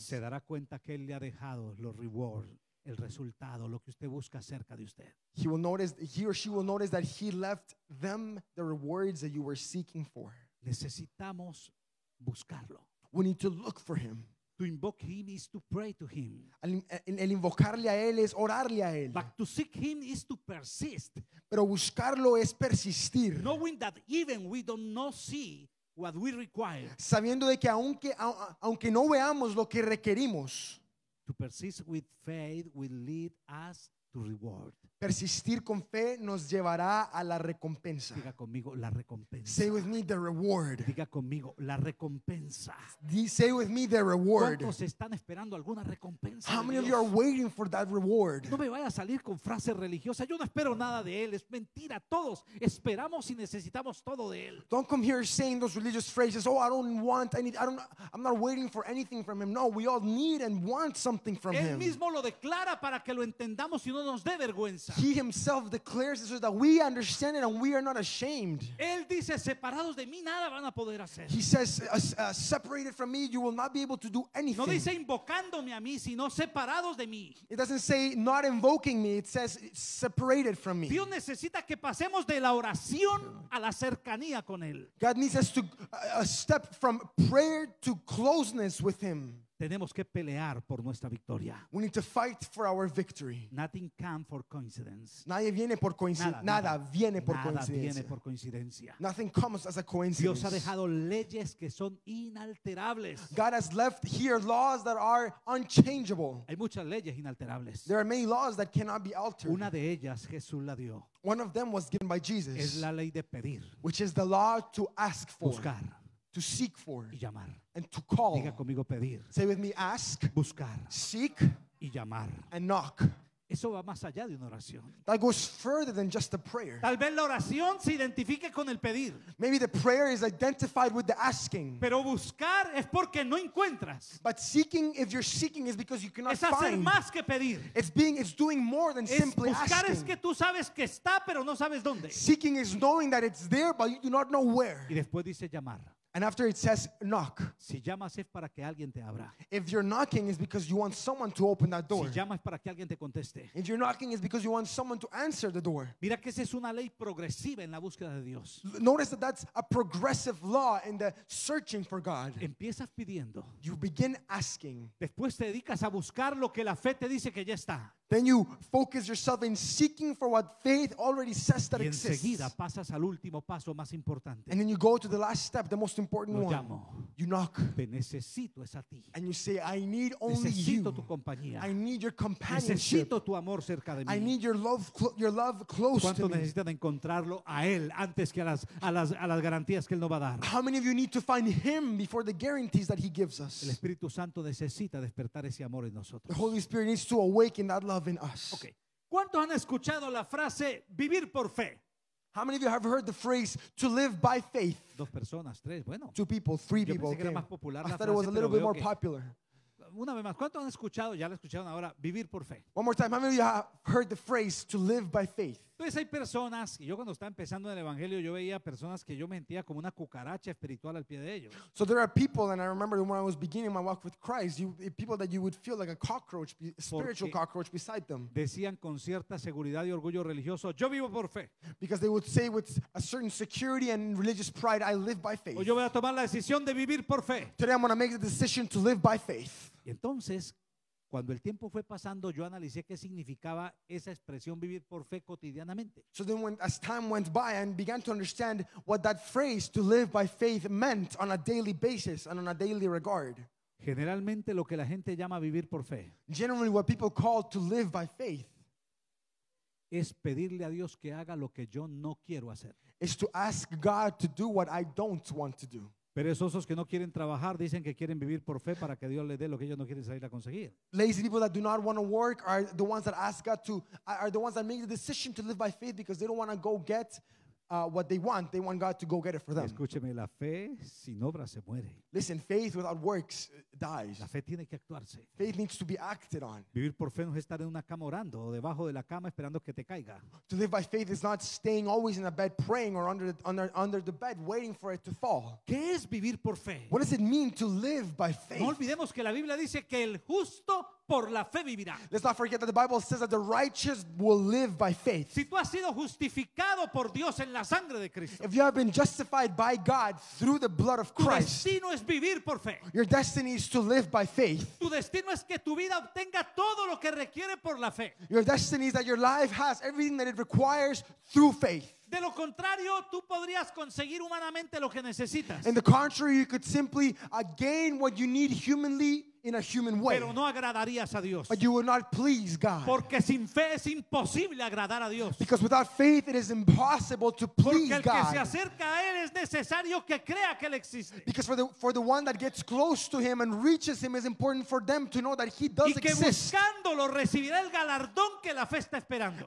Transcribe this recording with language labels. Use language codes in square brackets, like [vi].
[es] Se dará cuenta que él le ha dejado los rewards, el resultado, lo que usted busca cerca de usted. [en] He will notice, he or she will notice that he left them the rewards that you were seeking for. [es] Necesitamos buscarlo. [en] We need to look for him. To invoke him is to pray to him. [es] El invocarle a él es orarle a él. [en] But to seek him is to persist. [es] Pero buscarlo es persistir. [en] Knowing that even we do not see what we require. [es] Sabiendo de que aunque no veamos lo que requerimos. [en] To persist with faith will lead us to reward. [es] Persistir con fe nos llevará a la recompensa. Diga conmigo la recompensa. [en] Say with me the reward. [es] Diga conmigo la recompensa. [en] Say with me the reward. [es] ¿Cuántos están esperando alguna recompensa? [en] How many of you are waiting for that reward? [es] No me vaya a salir con frases religiosas. Yo no espero nada de él. Es mentira. Todos esperamos y necesitamos todo de él. [en] Don't come here saying those religious phrases. Oh, I don't want any. I'm not waiting for anything from him. No, we all need and want something from him. [es] Él mismo lo declara para que lo entendamos y no nos dé vergüenza. [en] He himself declares this so that we understand it and we are not ashamed. [es] Él dice, separados de mí, nada van a poder hacer. [en] He says, separated from me, you will not be able to do anything. [es] No dice invocándome a mí, sino separados de mí. [en] It doesn't say not invoking me, it says separated from me. [es] Dios necesita que pasemos de la oración a la cercanía con él. [en] God needs us to step from prayer to closeness with him. [es] Tenemos que pelear por nuestra victoria. [en] We need to fight for our victory. Nothing comes for coincidence. [es] Nadie viene por coincidencia. Nada viene por coincidencia. Nada viene por coincidencia. [en] Nothing comes as a coincidence. [es] Dios ha dejado leyes que son inalterables. [en] God has left here laws that are unchangeable. [es] Hay muchas leyes inalterables. [en] There are many laws that cannot be altered. [es] Una de ellas Jesús la dio. [en] One of them was given by Jesus. [es] Es la ley de pedir. [en] Which is the law to ask for. [es] Buscar. [en] To seek for [es] y llamar. [en] And to call. [es] Diga conmigo pedir. [en] Say with me, ask, [es] buscar, [en] seek, [es] y llamar. [en] And knock. [es] Eso va más allá de una oración. [en] That goes further than just a prayer. [es] Tal vez la oración se identifique con el pedir. [en] Maybe the prayer is identified with the asking. [es] Pero buscar es porque no encuentras. [en] But seeking, if you're seeking, is because you cannot [es] find. Es hacer [en] find. [es] Más que pedir. [en] It's being, it's doing more than [es] es [en] simply [es] buscar [en] asking. [es] Buscar es que tú sabes que está, pero no sabes dónde. [en] Seeking is knowing that it's there, but you do not know where. [es] Y después dice llamar. [en] And after it says knock. [es] Si llamas es para que alguien te abra. [en] If you're knocking is because you want someone to open that door. [es] Si llamas para que alguien te conteste. [en] If you're knocking is because you want someone to answer the door. [es] Mira que esa es una ley progresiva en la búsqueda de Dios. [en] Notice that that's a progressive law in the searching for God. [es] Empiezas pidiendo. [en] You begin asking. [es] Después te dedicas a buscar lo que la fe te dice que ya está. [en] Then you focus yourself in seeking for what faith already says that [es] y [en] exists. [es] Enseguida pasas al último paso más importante. [en] And then you go to the last step, the most important [es] lo [en] one. [es] Llamo. [en] You knock. [es] Te necesito es a ti. [en] And you say, I need only [es] necesito [en] you. [es] Tu compañía. [en] I need your companionship. [es] Necesito tu amor cerca de mí. [en] I need your love close [es] ¿cuánto [en] to me. [es] Necesitas de encontrarlo a él antes que a las garantías que él no va a dar? [en] How many of you need to find him before the guarantees that he gives us? [es] El Espíritu Santo necesita despertar ese amor en nosotros. [en] The Holy Spirit needs to awaken that love. [es] ¿Cuántos han escuchado la frase vivir por fe? [en] How many of you have heard the phrase to live by faith? [es] Dos personas, tres, bueno. [en] Two people, three people. [es] Yo pensé que era más popular la [en] frase, I thought it was a little bit more popular. [es] Una vez más, ¿cuántos han escuchado? Ya la escucharon ahora, vivir por fe. [en] One more time, how many of you have heard the phrase to live by faith? [es] Entonces hay personas, y yo cuando estaba empezando en el Evangelio, yo veía personas que yo me sentía como una cucaracha espiritual al pie de ellos. [en] So there are people, and I remember when I was beginning my walk with Christ, you, people that you would feel like a cockroach, spiritual cockroach beside them. [es] Decían con cierta seguridad y orgullo religioso, yo vivo por fe. [en] Because they would say with a certain security and religious pride, I live by faith. [es] O yo voy a tomar la decisión de vivir por fe. [en] Today I'm going to make the decision to live by faith. [es] Y entonces, cuando el tiempo fue pasando, yo analicé qué significaba esa expresión vivir por fe cotidianamente. [en] So then when, as time went by, I began to understand what that phrase to live by faith meant on a daily basis and on a daily regard. [es] Generalmente lo que la gente llama vivir por fe. [en] Generally what people call to live by faith. [es] Es pedirle a Dios que haga lo que yo no quiero hacer. [en] Is to ask God to do what I don't want to do. [es] Perezosos que no quieren trabajar dicen que quieren vivir por fe para que Dios les dé lo que ellos no quieren salir a conseguir. [en] Lazy people that do not want to work are the ones that ask God to, are the ones that make the decision to live by faith because they don't want to go get what they want. They want God to go get it for them. [es] Escúcheme, la fe sin obra se muere. [en] Listen, faith without works dies. [es] La fe tiene que actuarse. [en] Faith needs to be acted on. [es] Vivir por fe no es estar en una cama orando o debajo de la cama esperando que te caiga. [en] To live by faith is not staying always in a bed praying or under the bed waiting for it to fall. [es] ¿Qué es vivir por fe? [en] What does it mean to live by faith? [es] No olvidemos que la Biblia dice que el justo por la fe vivirá. [en] Let's not forget that the Bible says that the righteous will live by faith. [es] Si tú has sido justificado por Dios en la sangre de Cristo. [en] If you have been justified by God through the blood of Christ. [es] Tu destino es vivir por fe. [en] Your destiny is to live by faith. [es] Tu destino es que tu vida obtenga todo lo que requiere por la fe. [en] Your destiny is that your life has everything that it requires through faith. [es] De lo contrario, tú podrías conseguir humanamente lo que necesitas. [en] In the contrary, you could simply gain what you need humanly. In a human way. [es] Pero no agradarías a Dios. [en] But you will not please God. [es] Porque sin fe es imposible agradar a Dios. [en] Because without faith it is impossible to please God. [es] Porque el que se acerca a él es necesario que crea que él existe. [en] Because for the one that gets close to him and reaches him, it's important for them to know that he does [es] exist. Y que [en] exist. [es] Buscándolo recibirá el galardón que la fe está esperando.